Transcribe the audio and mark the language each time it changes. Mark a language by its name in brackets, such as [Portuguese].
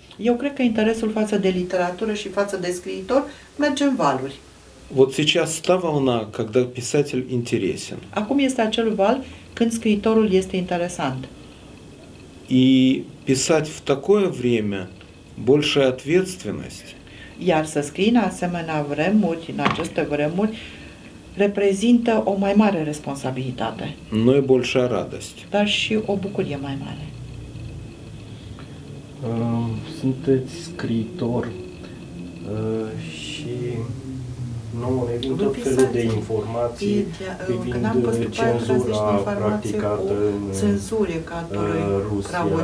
[Romanian] Eu cred că interesul față de literatură și față de scriitor merge în valuri. [Russian] Вот сейчас та волна, когда писатель интересен. [Romanian] Acum este acel val când scriitorul este interesant. [Russian] И писать в такое время большая ответственность. [Romanian] Iar să scrii în asemenea vremuri, în aceste vremuri, reprezintă o mai mare responsabilitate. [Russian] Но и большая радость. [Romanian] Dar și o bucurie mai mare. Sunteți scriitor și nu ne vin tot felul de informații privind cenzura practicată în Rusia.